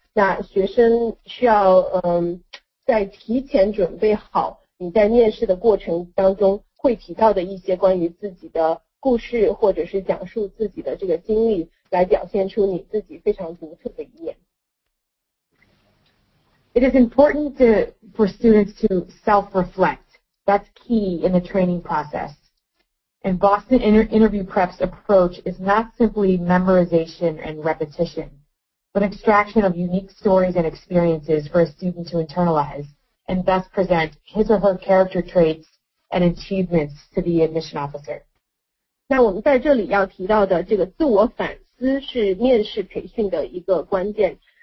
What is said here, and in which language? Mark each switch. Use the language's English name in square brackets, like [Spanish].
[Chinese] 那学生需要在提前准备好你在面试的过程当中会提到的一些关于自己的故事，或者是讲述自己的这个经历，来表现出你自己非常独特的一面。 [English] It is important for students to self-reflect. That's key in the training process. And Boston interview prep's approach is not simply memorization and repetition, but extraction of unique stories and experiences for a student to internalize and thus present his or her character traits and achievements to the admission officer. [Chinese] 那我们在这里要提到的这个自我反思是面试培训的一个关键。